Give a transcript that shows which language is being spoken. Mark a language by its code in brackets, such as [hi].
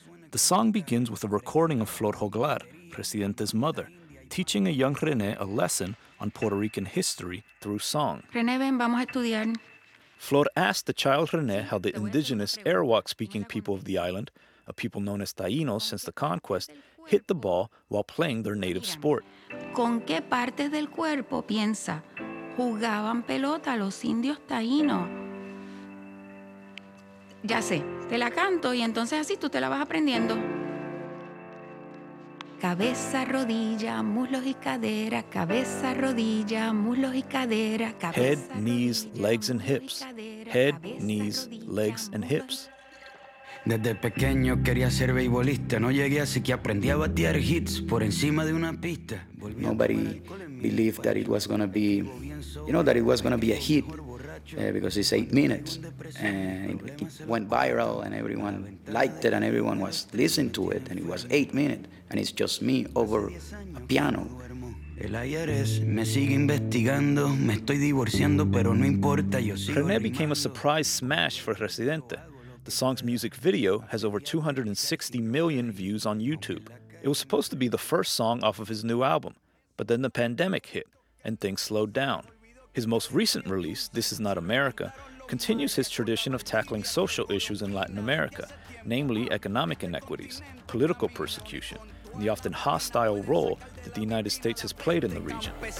[en] The song begins with a recording of Flor Joglar, Residente's mother, teaching a young René a lesson on Puerto Rican history through song. [es] René, ven, vamos a estudiar. [en] Flor asked the child René how the indigenous Arawak-speaking people of the island, a people known as Taínos since the conquest, hit the ball while playing their native sport. [es] ¿Con qué parte del cuerpo piensa jugaban pelota los indios Taínos? Ya sé, te la canto y entonces así tú te la vas aprendiendo. Cabeza, rodilla, muslos y cadera. Cabeza, rodilla, muslos y cadera. [en] Head, knees, legs, and hips. Head, knees, legs, and hips. [es] Desde pequeño quería ser beisbolista. No llegué así que aprendí a batear hits por encima de una pista. [en] Nobody believed that it was going to be, you know, that it was going to be a hit because it's 8 minutes. And it went viral and everyone liked it and everyone was listening to it. And it was 8 minutes and it's just me over a piano. [es] El IRS me sigue investigando, me estoy divorciando, pero no importa, yo sigo. [en] René became a surprise smash for Residente. The song's music video has over 260 million views on YouTube. It was supposed to be the first song off of his new album, but then the pandemic hit and things slowed down. His most recent release, This Is Not America, continues his tradition of tackling social issues in Latin America, namely economic inequities, political persecution, and the often hostile role that the United States has played in the region.